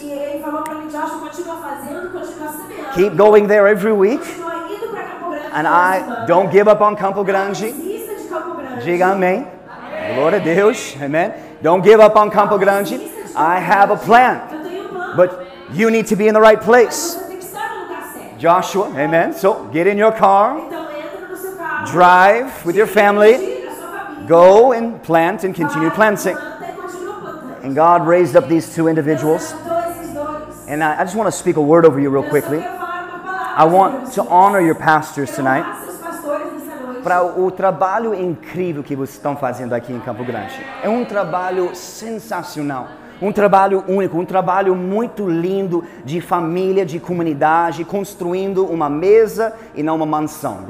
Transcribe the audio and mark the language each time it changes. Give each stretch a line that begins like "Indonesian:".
Portuguese: E ele falou para mim, Joshua, continua fazendo, continua semeando.
English: Keep going there every week. And I don't give up on Campo Grande.
Portuguese: Diga amém. Glória a Deus. Amen.
English: Don't give up on Campo Grande. I have a plan. But you need to be in the right place. Joshua, amen. So get in your car. Drive with your family. Go and plant and continue planting. And God raised up these two individuals. And I just want to speak a word over you real quickly. I want to honor your pastors tonight.
Portuguese: Para o trabalho incrível que vocês estão fazendo aqui em Campo Grande. É trabalho sensacional. Trabalho único, trabalho muito lindo de família, de comunidade, construindo uma mesa e não uma mansão.